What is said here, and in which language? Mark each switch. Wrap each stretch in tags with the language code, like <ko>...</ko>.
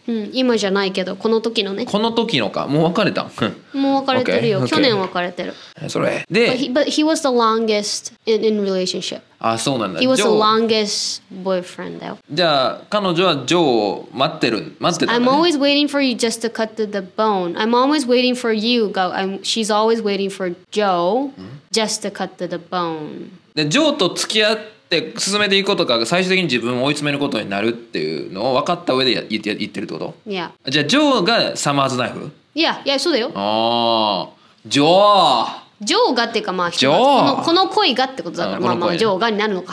<ja>うん、今じゃないけどこの時のね。この時のか、もう別れたん。もう別れてるよ、okay. 去年別れてる、 okay. それで</ja> <en>but he was the longest in relationship。</en> <ja>あ、そうなんだ。</ja> <en>He was the longest boyfriend though。</en> <ja>じゃあ彼女はジョーを待ってる、待ってたんだね。</ja> <en>I'm always waiting for you just to cut to the bone。 I'm always waiting for you go She's always waiting for Joe、うん、just to cut to the bone。</en> <ja>で、ジョーと付き合って進めていくことか、最終的に自分を追い詰めることになるっていうのを分かった上で言ってるってこと。いや、 yeah. じゃあジョーがサマーズナイフ。いや、いや、そうだよ。ああ、ジョー、ジョーがっていうか、まあジョー、この恋がってことだから、まあまあジョーがになるのか。</ja>